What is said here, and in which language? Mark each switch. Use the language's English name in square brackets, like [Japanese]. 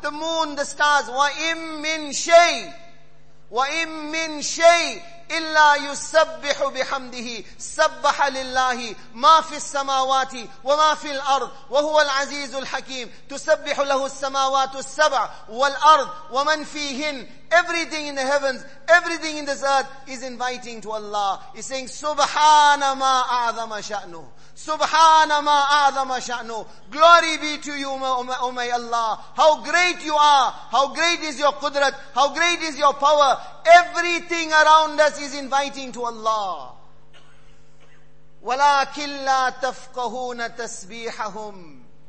[English] The moon, the stars, [Arabic] wa im min shay. وَإِمْ مِنْ شَيْءٍ إِلَّا يُسَبِّحُ بِحَمْدِهِ سَبَّحَ لِلَّهِ مَا فِي السَّمَاوَاتِ وَمَا فِي الْأَرْضِ وَهُوَ الْعَزِيزُ الْحَكِيمُ تُسَبِّحُ لَهُ السَّمَاوَاتُ السَّبْعُ وَالْأَرْضُ وَمَنْ فِيهِنْ. [English] Everything in the heavens, everything in this earth is inviting to Allah. He's saying, [Arabic] سُبْحَانَ مَا أَعْظَمَ شَأْنُهُ. Subhana ma a'zama sha'nu. [English] Glory be to you, O my Allah. How great you are. How great is your qudrat. How great is your power. Everything around us is inviting to Allah. [Arabic] Walakin la tafqahuna tasbihahum.